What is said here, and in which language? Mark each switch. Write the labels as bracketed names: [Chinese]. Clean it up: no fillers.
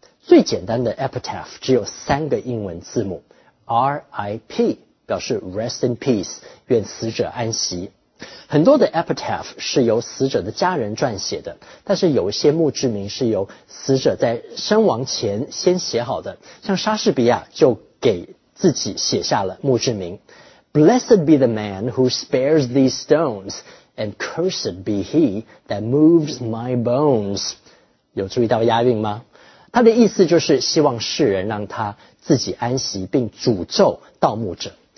[Chinese] 最简单的 epitaph 只有三个英文字母 ,RIP, 表示 [English] rest in peace, [Chinese] 愿死者安息。很多的 epitaph 是由死者的家人撰写的，但是有一些墓志铭是由死者在身亡前先写好的，像莎士比亚就给自己写下了墓志铭。 [English] Blessed be the man who spares these stones, and cursed be he that moves my bones. [Chinese] 有注意到押韵吗？他的意思就是希望世人让他自己安息，并诅咒盗墓者。